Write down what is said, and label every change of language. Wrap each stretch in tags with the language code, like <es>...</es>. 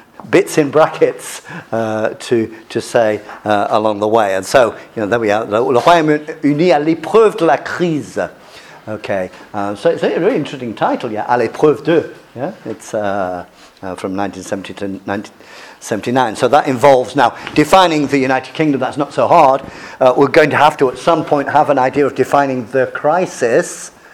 <en>Bits in brackets to say along the way. And so, you know, there we are.</en> <fr>Le Royaume-Uni à l'épreuve de la crise.</fr> <en>Okay. So it's a really interesting title, yeah. À l'épreuve de. Yeah. It's from 1970 to 1979. So that involves now defining the United Kingdom. That's not so hard. We're going to have to at some point have an idea of defining the crisis.</en>